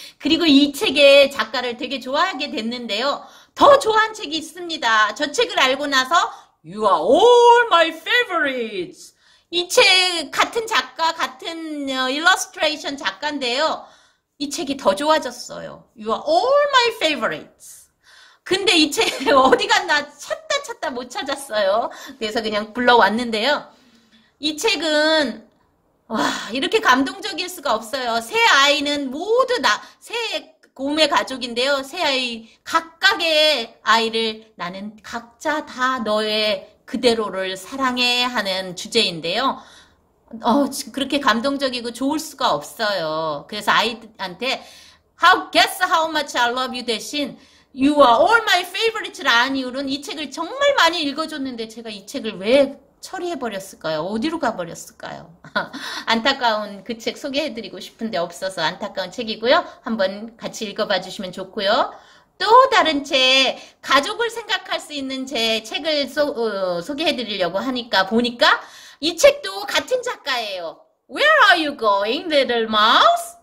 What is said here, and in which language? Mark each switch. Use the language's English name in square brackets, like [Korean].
[Korean] 그리고 이 책의 작가를 되게 좋아하게 됐는데요. 더 좋아한 책이 있습니다. 저 책을 알고 나서 [English] You are all my favorites. [Korean] 이 책 같은 작가, 같은 일러스트레이션 작가인데요. 이 책이 더 좋아졌어요. [English] You are all my favorites. [Korean] 근데 이 책 어디 갔나 찾다 못 찾았어요. 그래서 그냥 불러왔는데요. 이 책은 와, 이렇게 감동적일 수가 없어요. 세 아이는 모두 세 곰의 가족인데요. 세 아이 각각의 아이를 나는 각자 다 너의 그대로를 사랑해 하는 주제인데요. 그렇게 감동적이고 좋을 수가 없어요. 그래서 아이한테 Guess how much I love you 대신 You are all my favorites라는 이유는 이 책을 정말 많이 읽어줬는데 제가 이 책을 왜 처리해버렸을까요? 어디로 가버렸을까요? 안타까운 그 책 소개해드리고 싶은데 없어서 안타까운 책이고요. 한번 같이 읽어봐 주시면 좋고요. 또 다른 책, 가족을 생각할 수 있는 제 책을 소개해드리려고 하니까 보니까 이 책도 같은 작가예요. [English] Where are you going, little mouse?